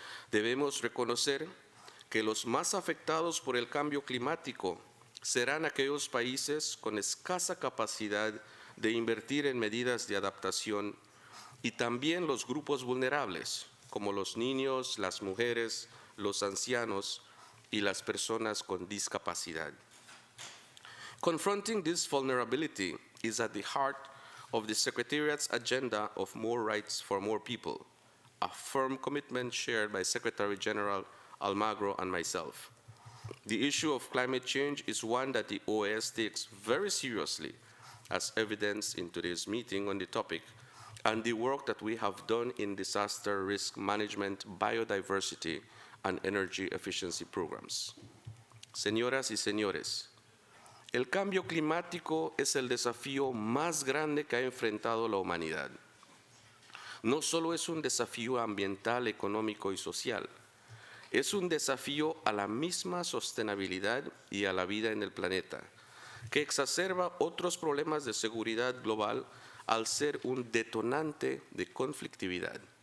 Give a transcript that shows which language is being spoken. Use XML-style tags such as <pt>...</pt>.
<es>Debemos reconocer que los más afectados por el cambio climático serán aquellos países con escasa capacidad de invertir en medidas de adaptación y también los grupos vulnerables, como los niños, las mujeres, los ancianos y las personas con discapacidad.</es> <en>Confronting this vulnerability is at the heart of the Secretariat's agenda of more rights for more people, a firm commitment shared by Secretary General Almagro and myself. The issue of climate change is one that the OAS takes very seriously, as evidenced in today's meeting on the topic, and the work that we have done in disaster risk management, biodiversity, and energy efficiency programs.</en> <es>Señoras y señores, el cambio climático es el desafío más grande que ha enfrentado la humanidad. no solo es un desafío ambiental, económico y social, es un desafío a la misma sostenibilidad y a la vida en el planeta, que exacerba otros problemas de seguridad global al ser un detonante de conflictividad.</es>